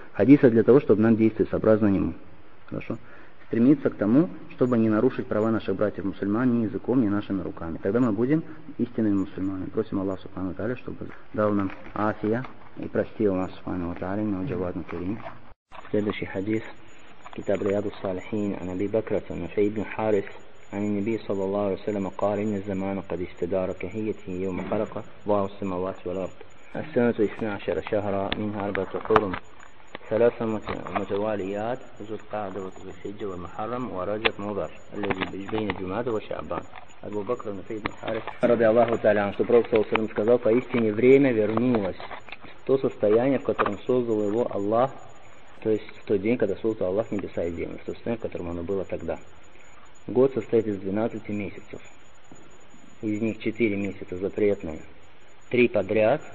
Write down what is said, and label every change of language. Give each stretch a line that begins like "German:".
Russian: Хадиса для того, чтобы нам действовать сообразно ему. Хорошо? Стремиться к тому, чтобы не нарушить права наших братьев-мусульман ни языком, ни нашими руками. Тогда мы будем истинными мусульманами. Просим Аллах Субхану Тааля, чтобы дал нам афия и простил нас Субхану Тааля, на джавадну кирим. Следующий хадис. Китаб Риаду Салихин, ан Аби Бакрата, ан Нафий ибн Харис.
Arabic: عن النبي صلى الله عليه وسلم قال إن الزمان قد استدار كهيته يوم خلق الله السماوات والأرض السنة 12 شهرا منها 4 حرم ثلاثة متواليات ذو القعدة وذو الحجة والمحرم ورجب مضر الذي بين جماد وشعبان أبو بكر بن فيد الحارث رضي الله تعالى عنه صلى الله عليه وسلم
Russian: сказал поистине время вернулось то состояние в котором создал его Аллах то есть в тот день когда создал Аллах небеса и землю то состояние в котором оно было тогда. Год состоит из 12 месяцев. Из них 4 месяца запретные. 3 подряд.